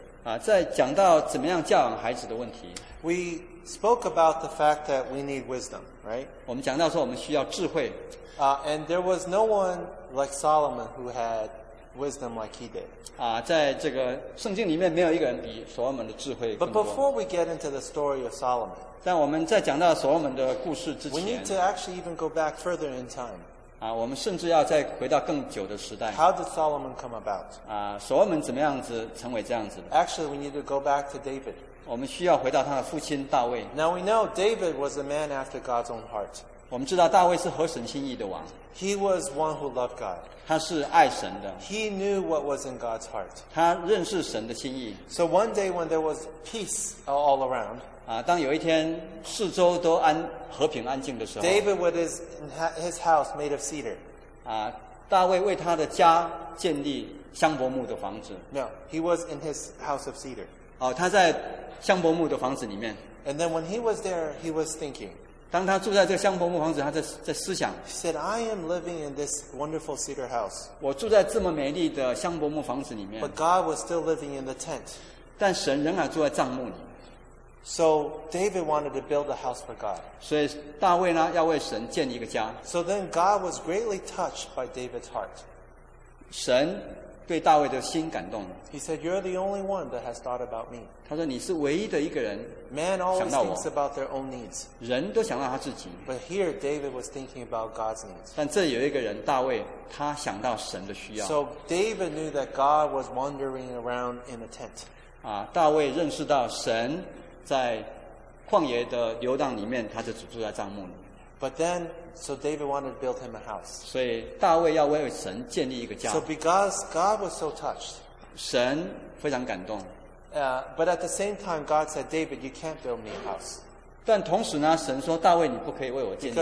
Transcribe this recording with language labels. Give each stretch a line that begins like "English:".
Chinese: 啊，在讲到怎么样教养孩子的问题。
English: We spoke about the fact that we need wisdom, right?
Chinese: 我们讲到说我们需要智慧。
English: And there was no one like Solomon who had wisdom like he did.
Chinese: 啊，在这个圣经里面没有一个人比所罗门的智慧更多。
English: But before we get into the story of Solomon,
Chinese: 但我们在讲到所罗门的故事之前
English: ，we need to actually even go back further in time.
Chinese: 啊，我们甚至要再回到更久的时代。
English: How did Solomon come about?
Chinese: 啊，所罗门怎么样子成为这样子的
English: ？Actually, we need to go back to David.
Chinese: 我们需要回到他的父亲大卫。
English: Now we know David was a man after God's own heart.
Chinese: 我们知道大卫是合神心意的王。
English: He was one who loved God.
Chinese: 他是爱神的。
English: He knew what was in God's heart.
Chinese: 他认识神的心意。
English: So one day when there was peace all around,
Chinese: 啊，当有一天四周都和平安静的时候
English: ，David with his house made of cedar.
Chinese: 啊，大卫为他的家建立香柏木的房子。
English: No, he was in his house of cedar.
Chinese: 哦，他在香柏木的房子里面。
English: And then when he was there, he was thinking.
Chinese: 当他住在这个香柏木房子，他在思想。
English: He said, "I am living in this wonderful cedar house."
Chinese: 我住在这么美丽的香柏木房子里面。
English: But God was still living in the tent.
Chinese: 但神仍然住在帐幕里。
English: So David wanted to build a house for God.
Chinese: 所以大卫呢，要为神建立一个家。
English: So then God was greatly touched by David's heart.
Chinese: 神对大卫的心感动了。
English: He said, "You're the only one that has thought about me."
Chinese: 他说你是唯一的一个人想到我。
English: Man always thinks about their own needs.
Chinese: 人都想到他自己。
English: But here, David was thinking about God's needs.
Chinese: 但这有一个人，大卫，他想到神的需要。
English: So David knew that God was wandering around in a tent.
Chinese: 啊，大卫认识到神在旷野的游荡里面，他就只住在帐幕里。
English: But then, so David wanted to build him a house.
Chinese: 所以大卫要为神建立一个家。
English: So because God was so touched,
Chinese: 神非常感动。
English: But at the same time, God said, "David, you can't build me a house."
Chinese: 但同时呢，神说大卫，你不可以为我建立家。